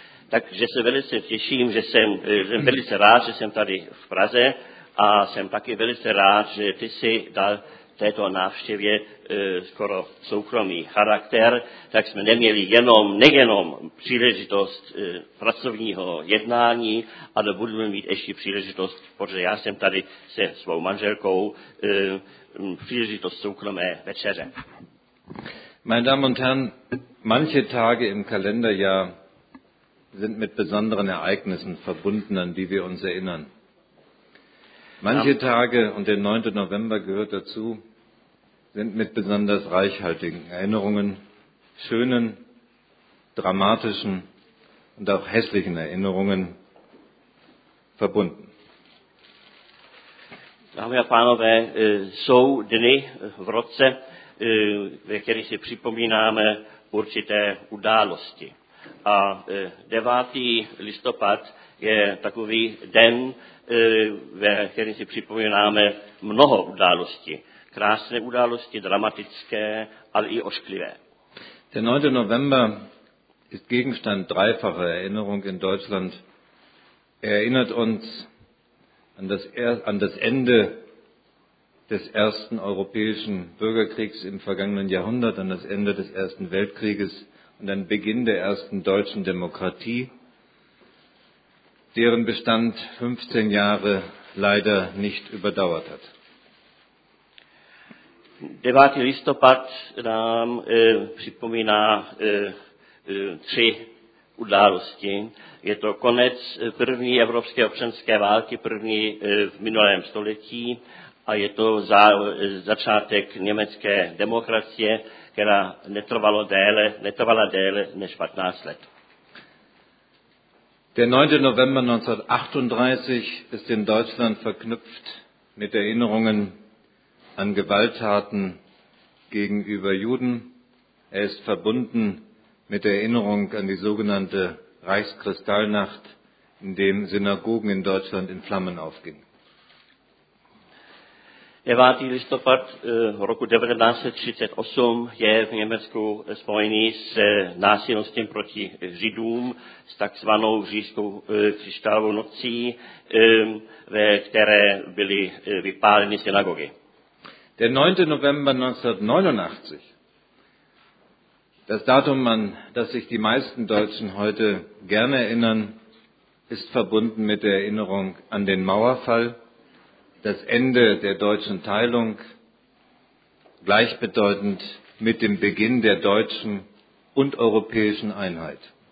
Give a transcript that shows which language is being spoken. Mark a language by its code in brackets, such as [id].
[cs] Takže se velice těším, že jsem velice rád, že jsem tady v Praze a jsem taky velice rád, že ty jsi dal této návštěvě skoro soukromý charakter, tak jsme neměli nejenom příležitost pracovního jednání, ale budeme mít ještě příležitost, protože já jsem tady se svou manželkou, příležitost soukromé večeře. [de] Meine Damen und Herren, manche Tage im Kalenderjahr sind mit besonderen Ereignissen verbunden, an die wir uns erinnern. Manche Tage, und der 9. November gehört dazu, sind mit besonders reichhaltigen Erinnerungen, schönen, dramatischen und auch hässlichen Erinnerungen verbunden. [cs] Dámy a pánové, jsou dny v roce, ve kterých si připomínáme určité události. A 9. listopad je takový den, ve kterém si připomínáme mnoho událostí. Krásné události, dramatické, ale i ošklivé. [de] Der 9. November ist Gegenstand dreifacher Erinnerung in Deutschland. Er erinnert uns an das Ende des ersten europäischen Bürgerkriegs im vergangenen Jahrhundert, an das Ende des ersten Weltkrieges und an Beginn der ersten deutschen Demokratie, deren Bestand 15 Jahre leider nicht überdauert hat. [cs] 9. listopad nám připomíná tři události. Je to konec první evropské občanské války, první v minulém století, a je to začátek německé demokracie, která netrvala déle než 15 let. [de] Der 9. November 1938 ist in Deutschland verknüpft mit Erinnerungen an Gewalttaten gegenüber Juden. Er ist verbunden mit Erinnerung an die sogenannte Reichskristallnacht, in dem Synagogen in Deutschland in Flammen aufgingen. [cs] 9. listopad roku 1938 je v Německu spojený s násilnostím proti Židům, s takzvanou říšskou křištálovou nocí, ve které byly vypáleny synagogy. [de] Der 9. November 1989, das Datum, an das sich die meisten Deutschen heute gerne erinnern, ist verbunden mit der Erinnerung an den Mauerfall, das Ende der deutschen Teilung, gleichbedeutend mit dem Beginn der deutschen und europäischen Einheit.